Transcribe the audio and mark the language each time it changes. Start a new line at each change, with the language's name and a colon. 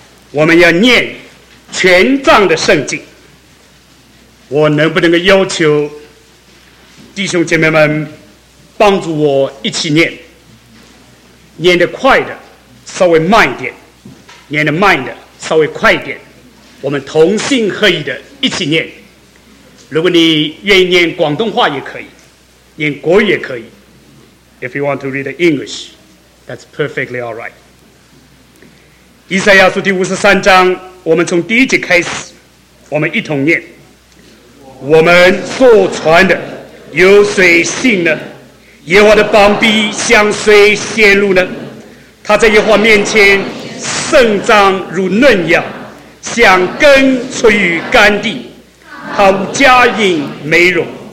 Chinese: 我们要念全章的圣经。我能不能够要求弟兄姐妹们帮助我一起念，念得快的稍微慢一点，念得慢的稍微快一点，我们同心合意的一起念。如果你愿意念广东话也可以，念国语也可以。
English: If you want to read English, that's perfectly alright.
Chinese: 以赛亚书第五十三章，我们从第一节开始，我们一同念。我们所传的有谁信呢？耶和华的膀臂向谁显露呢？他在耶和华面前盛张如嫩羊，像根出于干地，他无佳影美容。